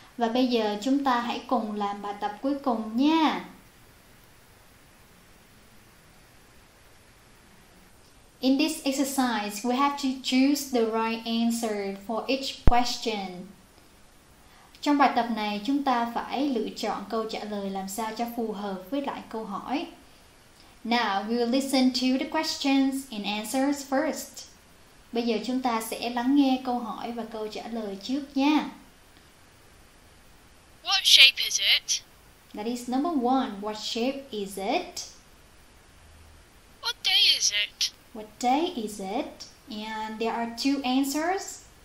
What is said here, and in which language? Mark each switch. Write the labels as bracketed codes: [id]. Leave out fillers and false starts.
[vi] Và bây giờ chúng ta hãy cùng làm bài tập cuối cùng nha. [en] In this exercise, we have to choose the right answer for each question. [vi] Trong bài tập này, chúng ta phải lựa chọn câu trả lời làm sao cho phù hợp với lại câu hỏi. [en] Now, we will listen to the questions and answers first. [vi] Bây giờ chúng ta sẽ lắng nghe câu hỏi và câu trả lời trước nha. [en] What shape is it? That is number one. What shape is it? What day is it? What day is it? And there are two answers.